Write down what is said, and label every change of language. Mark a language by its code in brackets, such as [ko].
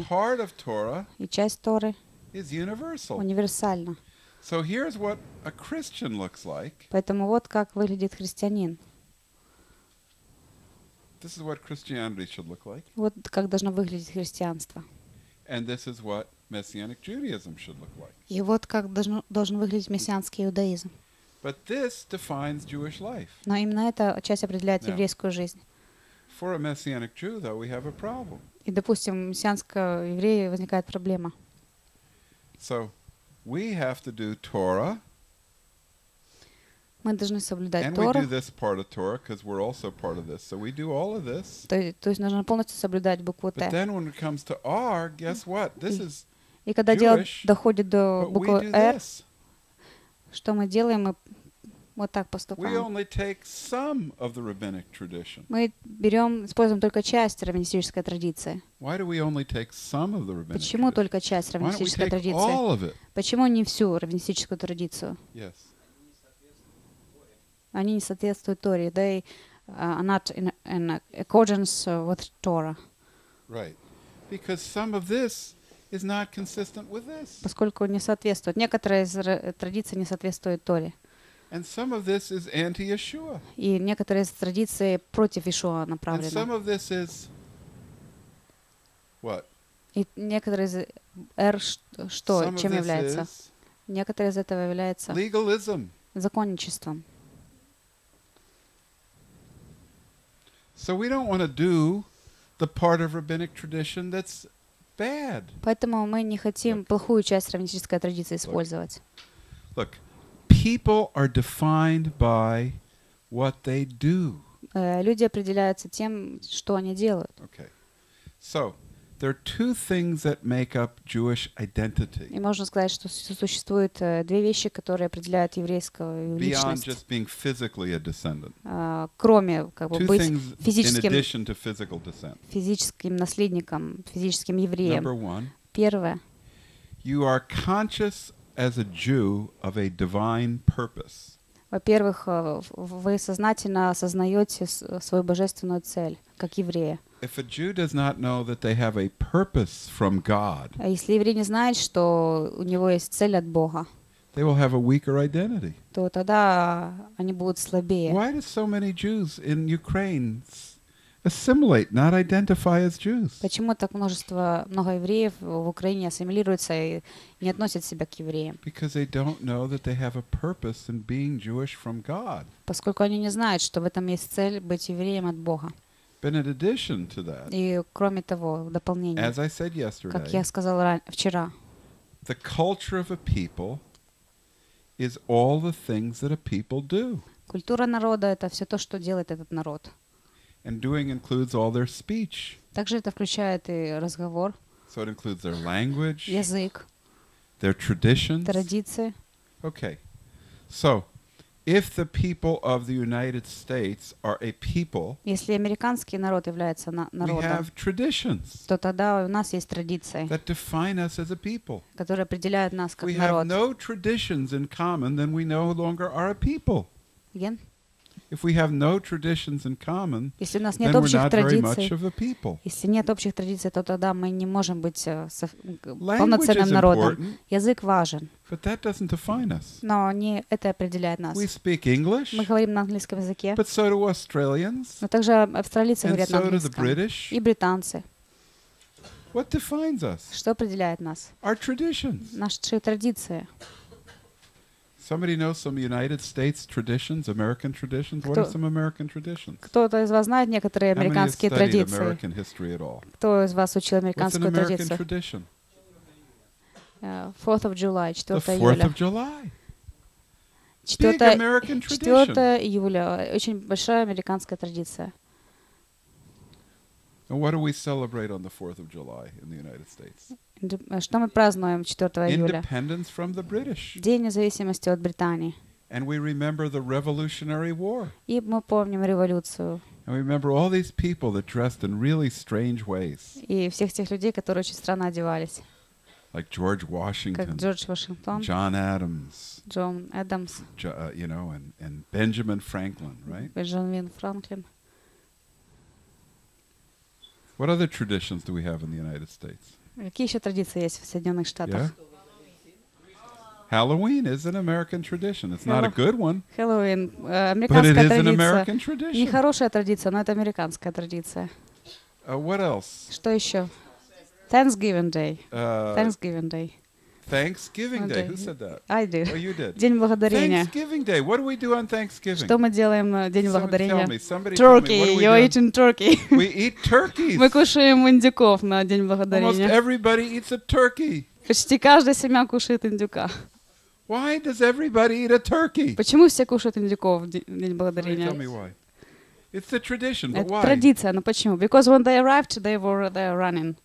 [en] And part of Torah, [ru] и часть Торы, [en] is universal. [ru] Универсальна. [en] So here's what a Christian looks like. [ru] Поэтому вот как выглядит христианин. [en] This is what Christianity should look like. [ru] Вот как должно выглядеть христианство. [en] And this is what messianic Judaism should look like. [ru] И вот как должен выглядеть мессианский иудаизм. [en] But this defines Jewish life. [ru] Но именно эта часть определяет [en] Now, [ru] еврейскую жизнь. [en] For a messianic Jew, though, we have a problem. [ru] И, допустим, мессианского еврея возникает проблема. [en] So, we have to do Torah. [ru] Мы должны соблюдать [en] And [ru] Тору. [en] And we do this part of Torah because we're also part of this. So we do all of this. [ru] То есть нужно полностью соблюдать букву Т. [en] But then when it comes to R, guess what? This is [ru] И когда [en] Jewish, [ru] дело доходит до буквы R. Что мы делаем, мы вот так поступаем. Мы берем, используем только часть раввинистической традиции. Почему только часть раввинистической традиции? Почему не всю раввинистическую традицию? [en] Yes. [ru] Они не соответствуют Торе. [en] They are not in accordance with Torah. Right. Because some of this is not consistent with this. [ru] Поскольку не соответствует. Некоторые из традиций не соответствуют Торе. [en] And some of this is anti-Yeshua. [ru] И некоторые из традиций против Ишуа направлены. [en] And some of this is what? [ru] И некоторые из R что, [en] some [ru] чем является? Некоторые из этого является [en] legalism. [ru] Законничеством. [en] So we don't want to do the part of rabbinic tradition that's Bad. [ru] Поэтому мы не хотим [en] Look. [ru] Плохую часть раввинистической традиции использовать. [en] Look. People are defined by what they do. [ru] Люди определяются тем, что они делают. [en] Okay. So, there are two things that make up Jewish identity. [ru] И можно сказать, что существует две вещи, которые определяют еврейскую личность. [en] Beyond just being physically a descendant. [ru] Кроме как бы быть физическим, [en] in addition to physical descent. [ru] Физическим наследником, физическим евреем. [en] Number one. [ru] Первое. [en] You are conscious as a Jew of a divine purpose. [ru] Во-первых, вы сознательно осознаете свою божественную цель, как еврея. [en] If a Jew does not know that they have a purpose from God, [ru] если еврей не знает, что у него есть цель от Бога, [en] they will have a weaker identity. [ru] То тогда они будут слабее. [en] Why do so many Jews in Ukraine assimilate, not identify as Jews. [ru] Почему так множество, много евреев в Украине ассимилируются и не относят себя к евреям? [en] Because they don't know that they have a purpose in being Jewish from God. [ru] Поскольку они не знают, что в этом есть цель быть евреем от Бога. [en] But in addition to that, [ru] и кроме того, в дополнение, [en] as I said yesterday, [ru] как я сказал вчера, [en] the culture of a people is all the things that a people do. [ru] Культура народа — это все то, что делает этот народ. [en] And doing includes all their speech. [ru] Также это включает и разговор. [en] So it includes their language. [ru] Язык. [en] Their traditions. [ru] Традиции. [en] Okay. So, if the people of the United States are a people, [ru] если американский народ является народом, [en] we have traditions, [ru] то тогда у нас есть традиции, [en] that define us as a people, [ru] которые определяют нас как [en] we [ru] народ. [en] We have no traditions in common, then we no longer are a people. Again? If we have no traditions in common, [ru] если у нас нет общих традиций, [en] very much of a people. [ru] Если нет общих традиций, то тогда мы не можем быть полноценным народом. Язык важен. [en] But that doesn't define us. [ru] Но не это определяет нас. [en] We speak English. [ru] Мы говорим на английском языке. [en] But so do Australians. [ru] Но также австралийцы говорят на английском. [en] And so do the British. [ru] И британцы. [en] What defines us? [ru] Что определяет нас? [en] Our traditions. [ru] Наши традиции. [en] Somebody knows some United States traditions, American traditions. What are some American traditions? [ru] Кто-то из вас знает некоторые американские традиции? [en] How many have studied American history at all? [ru] Кто из вас учил американскую традицию? [en] What's an American tradition? 4th of July, 4 [ru] июля. [en] The 4th of July. Big American tradition. [ru] 4 июля. Очень большая американская традиция. [en] And what do we celebrate on the 4th of July in the United States? [ru] Что мы празднуем 4 июля? [en] Independence from the British. [ru] День независимости от Британии. [en] And we remember the Revolutionary War. [ru] И мы помним революцию. [en] And we remember all these people that dressed in really strange ways. [ru] И всех тех людей, которые очень странно одевались. [en] Like George Washington. [ru] Как Джордж Вашингтон. [en] John Adams. [ru] Джон Адамс. [en] You know, and Benjamin Franklin, right? [ru] Бенджамин Франклин. [en] What other traditions do we have in the United States? [ru] Какие еще традиции есть в Соединенных Штатах? [en] Yeah. Halloween is an American tradition. It's not a good one. [ru] Halloween, американская традиция. [en] But it is an American tradition. [ru] Не хорошая традиция, но это американская традиция. [en] What else? [ru] Что еще? [en] Thanksgiving Day. Thanksgiving Day. Thanksgiving Day. Who said that? I did. Oh, you did. [ru] День благодарения. [en] Thanksgiving Day. What do we do on Thanksgiving? [ru] Что мы делаем на День благодарения? [en] Somebody tell me. Somebody turkey. Tell me. You're eating turkey. We eat turkeys. [ru] Мы кушаем индюков на День благодарения. [en] Almost everybody eats a turkey. [ru] Почти каждая семья кушает индюка. [en] Why does everybody eat a turkey? [ru] Почему все кушают индюков в День благодарения? [en] Tell me why. It's a tradition, but why? [ru] Это традиция, но почему? [en] Because when they arrived, they were there running.